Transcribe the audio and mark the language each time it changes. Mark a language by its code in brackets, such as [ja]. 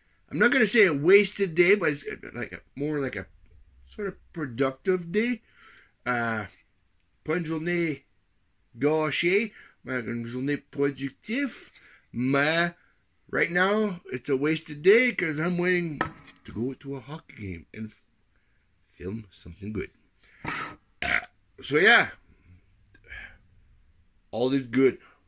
[en] I'm not going to say a wasted day, but it's like more like a sort of productive day. [fr] Pas une journée gâchée, mais une journée productive. [en] Mais right now, it's a wasted day because I'm waiting to go to a hockey game and film something good. So, yeah, all is good.